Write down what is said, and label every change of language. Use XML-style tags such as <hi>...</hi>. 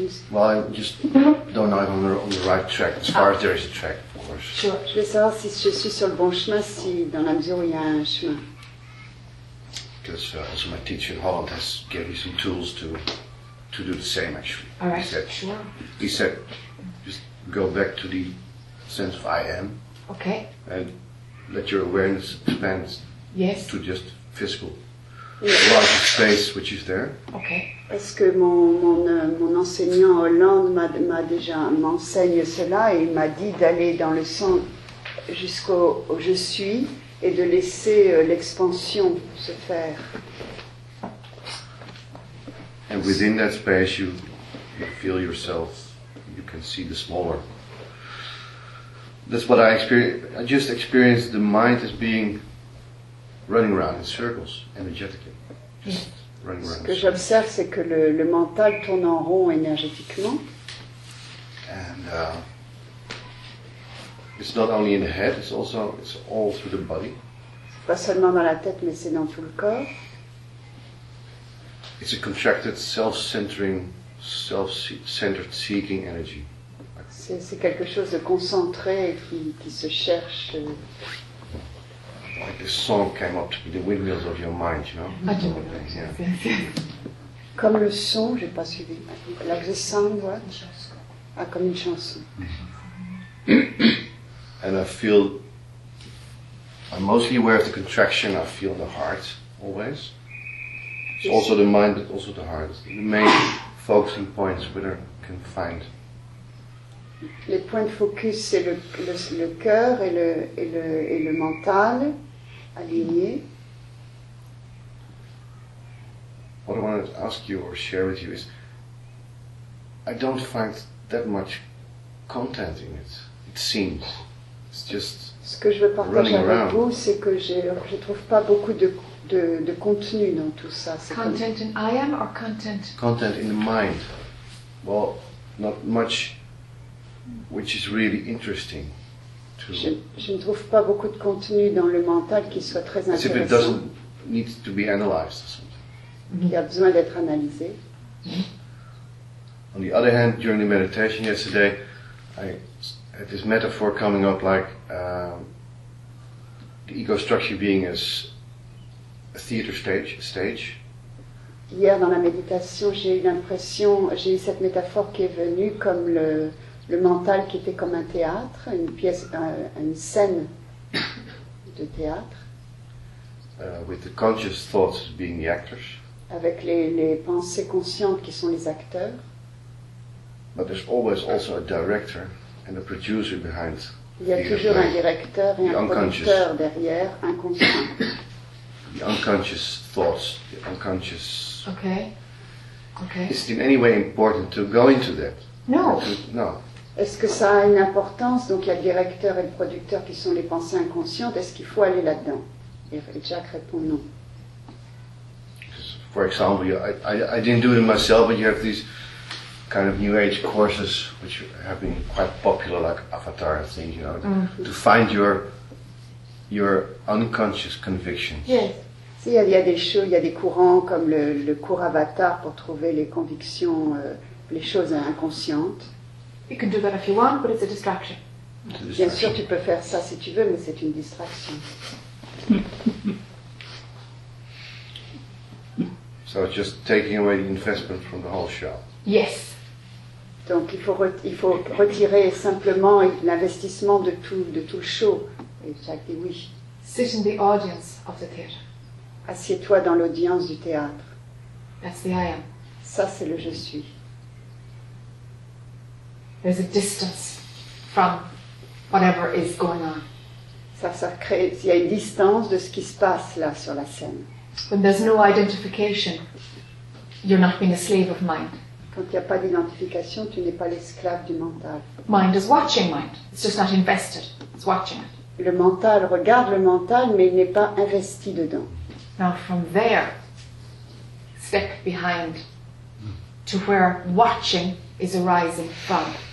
<en>Well, I just don't know if I'm on the right track, as far as there is a track, of course. Sure.</en> <fr>Je veux savoir si je suis sur le bon chemin, si dans la mesure où il y a un chemin.</fr> <en>Because also my teacher in Holland has given me some tools to do the same, actually. All right. He said, just go back to the sense of I am. Okay. And let your awareness expand. Yes. To just physical. Yes. Large space which is there. Okay.</en> <fr>Est-ce que mon enseignant Hollande m'a déjà m'enseigne cela et m'a dit d'aller dans le centre jusqu'au je suis et de laisser l'expansion se faire.</fr> <en>And within that space you feel yourself, you can see the smaller. That's what I experienced. I just experienced the mind as being running around in circles energetically.</en> <fr>Ce que j'observe, c'est que le mental tourne en rond énergétiquement.</fr> <en>And it's not only in the head; it's all through the body.</en> <fr>C'est pas seulement dans la tête, mais c'est dans tout le corps.</fr> <en>It's a contracted, self-centered seeking energy.</en> <fr>C'est quelque chose de concentré qui se cherche.</fr> <en>Like this song came up to be the windmills of your mind, you know?</en> <fr>Comme le son, j'ai pas suivi.</fr> <en>Like the sound, what?</en> <fr>Ah, comme une chanson.</fr> <en>And I feel, I'm mostly aware of the contraction, I feel the heart, always. It's also the mind, but also the heart. The main focusing points where I can find.</en> <fr>Les points de focus, c'est le cœur et le mental. Aligné.</fr> <en>What I wanted to ask you or share with you is, I don't find that much content in it. It seems it's just</en> <fr>ce que je veux partager</fr> <en>running</en> <fr>avec Vous, c'est que je trouve pas beaucoup de contenu dans tout ça. C'est</fr> <en>content in I am or content? Content in the mind. Well, not much, which is really interesting.</en> <fr>Je ne trouve pas beaucoup de contenu dans le mental qui soit très intéressant.</fr> <en>As if it doesn't need to be analyzed or something.</en> <fr>Mm-hmm. Il y a besoin d'être analysé.</fr> <en>On the other hand, during the meditation yesterday, I had this metaphor coming up like the ego structure being as a theater stage.</en> <fr>Hier dans la méditation, j'ai eu cette métaphore qui est venue comme le mental qui était comme un théâtre, une scène de théâtre.</fr> <en>With the conscious thoughts being the actors.</en> <fr>Avec les pensées conscientes qui sont les acteurs.</fr> <en>But there's always also a director and a producer behind.</en> <fr>Il y a toujours un directeur et un producteur derrière, inconscient.</fr> <en>The unconscious thoughts, the unconscious. Okay. Okay. Is it in any way important to go into that?</en> <fr>No. Est-ce que ça a une importance? Donc il y a le directeur et le producteur qui sont les pensées inconscientes. Est-ce qu'il faut aller là-dedans? Et Jack répond non.</fr> <en>For example, I didn't do it myself, but you have these kind of new age courses which have been quite popular, like avatar things, you know, mm-hmm. to find your unconscious convictions. Yes.</en> <fr>Il y a des choses, il y a des courants comme le cours avatar pour trouver les convictions, les choses inconscientes.</fr> <en>You can do that if you want, but it's a distraction.</en> <fr>Bien sûr, tu peux faire ça si tu veux, mais c'est une distraction.</fr> <en>So just taking away the investment from the whole show. Yes.</en> <fr>Donc il faut retirer simplement l'investissement de tout le show. Et Jacques dit oui.</fr> <en>Sit in the audience of the theatre.</en> <fr>Assieds-toi dans l'audience du théâtre.</fr> <en>That's the I am.</en> <fr>Ça c'est le je suis.</fr> <en>There's a distance from whatever is going on.</en> <fr>Ça crée, il y a une distance de ce qui se passe là sur la scène.</fr> <en>When there's no identification, you're not being a slave of mind.</en> <fr>Quand il n'y a pas d'identification, tu n'es pas l'esclave du mental.</fr> <en>Mind is watching mind. It's just not invested. It's watching it.</en> <fr>Le mental regarde le mental, mais il n'est pas investi dedans.</fr> <en>Now from there, step behind to where watching is arising from.</en>